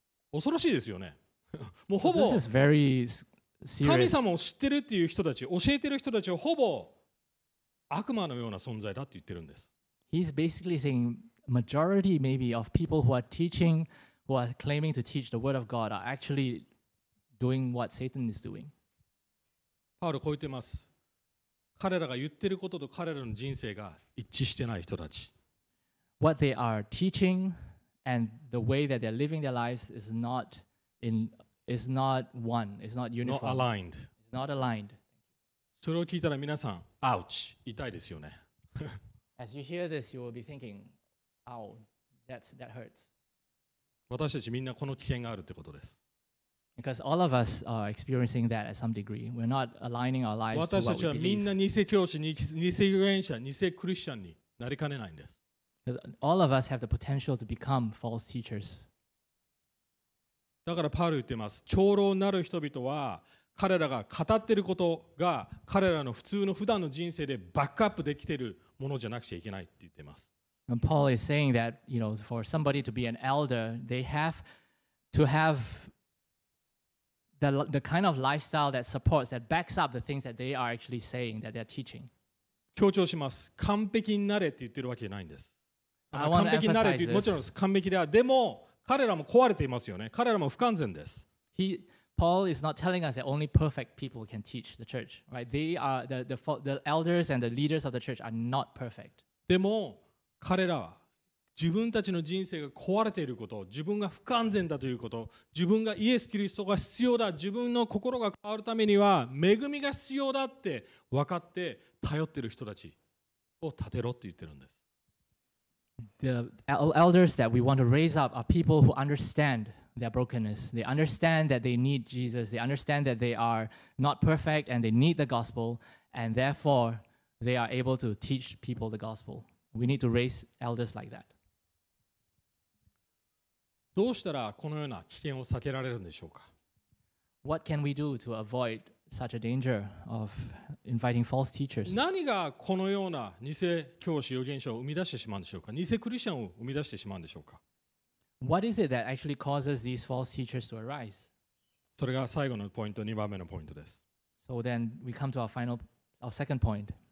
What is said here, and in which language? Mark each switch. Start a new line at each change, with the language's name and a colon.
Japanese: 恐ろしいですよね。もうほぼ、
English: this is very serious.
Japanese: 神様を知ってるっていう人たち、教えてる人たちをほぼ悪魔のような存在だって言ってるんです。
English: He's basically saying majority maybe of people who are teaching, who are claiming to teach the word of God are actually doing what Satan is doing.
Japanese: パウロこう言ってます。彼らが言ってることと彼らの人生が一致してない人たち。
English: What they are teaching and the way that they're living their lives is not in, is not one, is not uniform. Not aligned. It's not aligned.
Japanese: それを聞いたら皆さん、ouch、痛いですよね。
English: As you hear this, you will be thinking, ow, that hurts.
Japanese: 私たちみんなこの危険があるってことです。
English: Because all of us are experiencing that at some degree. We're not aligning our lives to what we
Japanese: 私たちはみんな偽教師、偽預言者、偽クリスチャンになりかねないんです。
English: Because all of us have the potential to become false teachers.
Japanese: だからパウル言ってます。長老になる人々は彼らが語っていることが彼らの普通の普段の人生でバックアップできているものじゃなくちゃいけないって言ってます。
English: And Paul is saying that, you know, for somebody to be an elder, they have to have the kind of lifestyle that supports, that backs up the things that they are actually saying, that they're teaching.
Japanese: 強調します。完璧になれって言ってるわけじゃないんです。
English: I want to emphasize this.
Japanese: もちろん完璧だ。でも彼らも壊れていますよね。彼らも不完全です。
English: Paul is not telling us that only perfect people can teach the church, right? They are the elders and the leaders of the church are not perfect.
Japanese: でも彼らは自分たちの人生が壊れていること、自分が不完全だということ、自分がイエス・キリストが必要だ、自分の心が変わるためには恵みが必要だって分かって頼っている人たちを立てろって言ってるんです。
English: The elders that we want to raise up are people who understand their brokenness. They understand that they need Jesus. They understand that they are not perfect and they need the gospel. And therefore, they are able to teach people the gospel. We need to raise elders like that.
Japanese: どうしたらこのような危険を避けられるんでしょうか?
English: What can we do to avoid such a danger of inviting false teachers?
Japanese: 何がこのような偽教師、預言者を生み出してしまうんでしょうか? 偽クリスチャンを生み出してしまうんでしょうか?
English: What is it that actually causes these false teachers to arise?
Japanese: それが最後のポイント、2番目のポイントです。
English: So then we come to our second point.